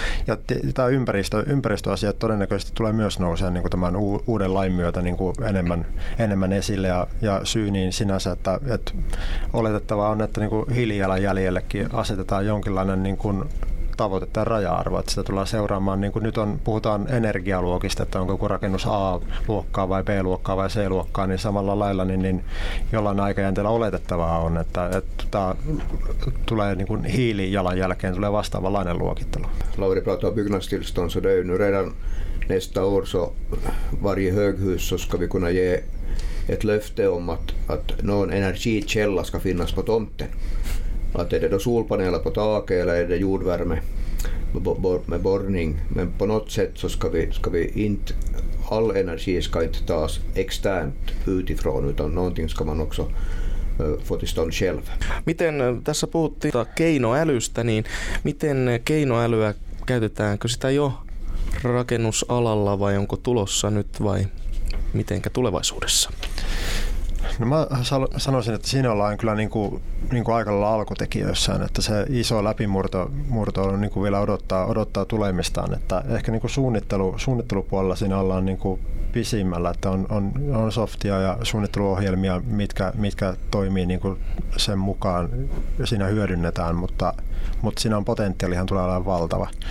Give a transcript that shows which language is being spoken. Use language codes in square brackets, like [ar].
[fi] ja tämä ympäristöasiat todennäköisesti tulee myös nousemaan niin kuin tämän uuden lain myötä niin kuin enemmän esille ja syy niin sinänsä, että oletettavaa on, että niin kuin hiilijalanjäljellekin asetetaan jonkinlainen niin kuin tavoite tai raja-arvo, että sitä tullaan seuraamaan, niin kuin nyt on, puhutaan energialuokista, että onko joku rakennus A-luokkaa vai B-luokkaa vai C-luokkaa, niin samalla lailla niin jollain aikajänteellä oletettavaa on, että tämä tulee niin kuin hiilijalanjälkeen tulee vastaavanlainen luokittelu. [sv] Lauri pratar byggnadstillstånd, så det är nu redan nästa år så varje höghus så ska vi kunna ge ett löfte om att någon energikälla ska finnas på tomten. Att är det då solpaneler på taket eller är det jordvärme med borrning. Men på något sätt så ska vi inte, all energi ska inte tas externt utifrån utan någonting ska man också få till stånd själv. [fi] Miten tässä puhuttiin keinoälystä, niin miten keinoälyä käytetäänkö sitä jo rakennusalalla vai onko tulossa nyt vai mitenkä tulevaisuudessa? No mä sanoisin, että siinä ollaan kyllä niin kuin aika lailla alkutekijöissään, että se iso läpimurto on niin kuin vielä odottaa tulemistaan, että ehkä niin kuin suunnittelupuolella siinä ollaan niin kuin pisimmällä, että on softia ja suunnitteluohjelmia, mitkä toimii niin kuin sen mukaan ja siinä hyödynnetään, mutta siinä on potentiaalihan tulee olemaan valtava.